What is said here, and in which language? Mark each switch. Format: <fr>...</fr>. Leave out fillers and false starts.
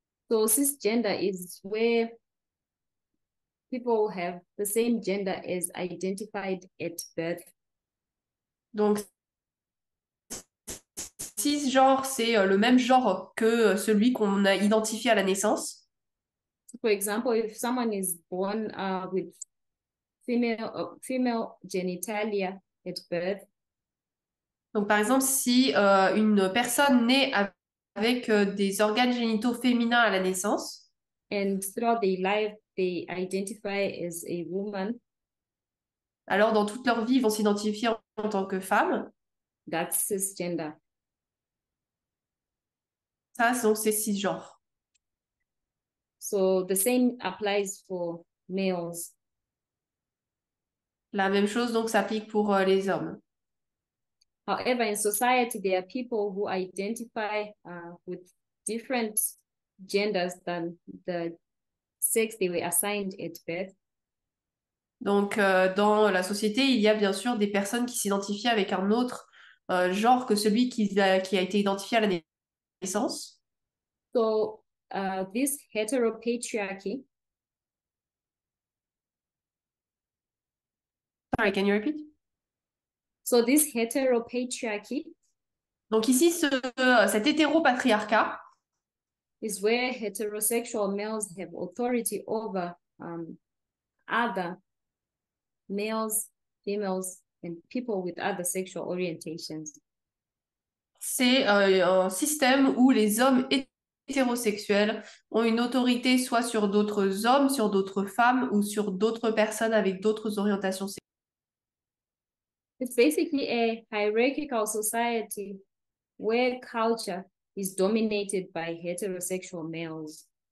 <en>So cisgender is where people have the same gender as identified at birth.</en> <fr>Donc, cisgenre, c'est le même genre que celui qu'on a identifié à la naissance.</fr> <en>For example, if someone is born with female genitalia at birth.</en> <fr>Donc, par exemple, si une personne naît avec des organes génitaux féminins à la naissance,</fr> <en>And throughout their life, they identify as a woman.</en> <fr>alors dans toute leur vie, ils vont s'identifier en tant que femme.</fr> <en>That's cisgender.</en> <fr>Ça, donc, c'est cisgenre.</fr> <en>So the same applies for males.</en> <fr>La même chose donc s'applique pour les hommes.</fr> <en>However, in society, there are people who identify with different genders than the sex they were assigned at birth.</en> <fr>Donc, dans la société, il y a bien sûr des personnes qui s'identifient avec un autre genre que celui qui a été identifié à la naissance.</fr> <en>So, this heteropatriarchy. Sorry, can you repeat? So this heteropatriarchy</en> <fr>Donc ici, cet hétéro-patriarcat,</fr> <en>is where heterosexual males have authority over other males, females, and people with other sexual orientations.</en> <fr>c'est un système où les hommes hétérosexuels ont une autorité soit sur d'autres hommes, sur d'autres femmes ou sur d'autres personnes avec d'autres orientations sexuelles.</fr> <en>It's basically a hierarchical society where culture is dominated by heterosexual males.</en>